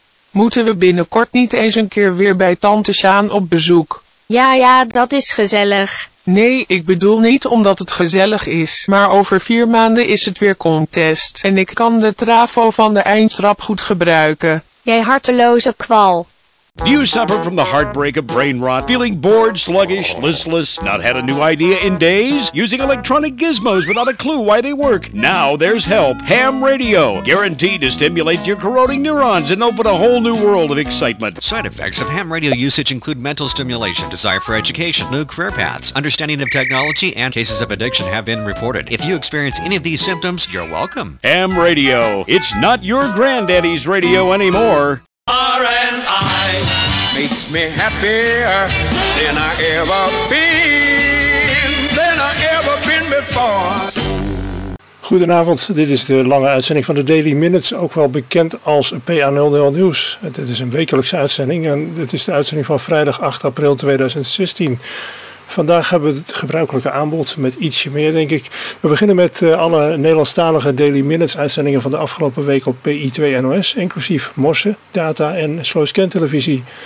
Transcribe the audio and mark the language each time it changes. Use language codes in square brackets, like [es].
[nl] Moeten we binnenkort niet eens een keer weer bij tante Sjaan op bezoek? Ja, dat is gezellig. Nee, ik bedoel niet omdat het gezellig is, maar over 4 maanden is het weer contest en ik kan de trafo van de eindtrap goed gebruiken. Jij harteloze kwal. [en] Do you suffer from the heartbreak of brain rot? Feeling bored, sluggish, listless? Not had a new idea in days? Using electronic gizmos without a clue why they work? Now there's help. Ham radio. Guaranteed to stimulate your corroding neurons and open a whole new world of excitement. Side effects of ham radio usage include mental stimulation, desire for education, new career paths, understanding of technology, and cases of addiction have been reported. If you experience any of these symptoms, you're welcome. Ham radio. It's not your granddaddy's radio anymore. R&I makes me happier than I ever been, than I ever been before. [nl] Goedenavond, dit is de lange uitzending van de Daily Minutes, ook wel bekend als PA00 News. Dit is een wekelijkse uitzending en dit is de uitzending van vrijdag 8 april 2016. Vandaag hebben we het gebruikelijke aanbod met ietsje meer, denk ik. We beginnen met alle Nederlandstalige Daily Minutes uitzendingen van de afgelopen week op PI2NOS, inclusief Morse, Data en Slowscan televisie.